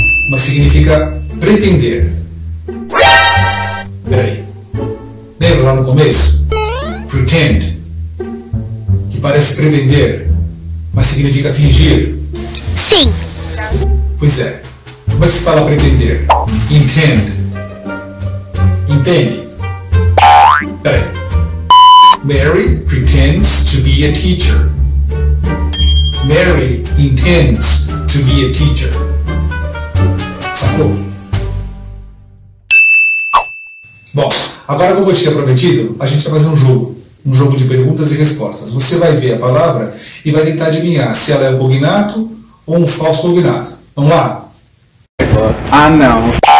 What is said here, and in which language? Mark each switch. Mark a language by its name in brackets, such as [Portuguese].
[Portuguese] Mas significa pretender. Peraí. Lembra lá no começo? Pretend. Que parece pretender. Mas significa fingir. Sim. Pois é. Como é que se fala pretender? Intend. Entende? Peraí. [English] Mary pretends to be a teacher. Mary intends to be a teacher. [Portuguese] Sacou? Bom, agora como eu tinha prometido, a gente vai fazer um jogo. Um jogo de perguntas e respostas. Você vai ver a palavra e vai tentar adivinhar se ela é um cognato ou um falso cognato. Vamos lá? Ah, não.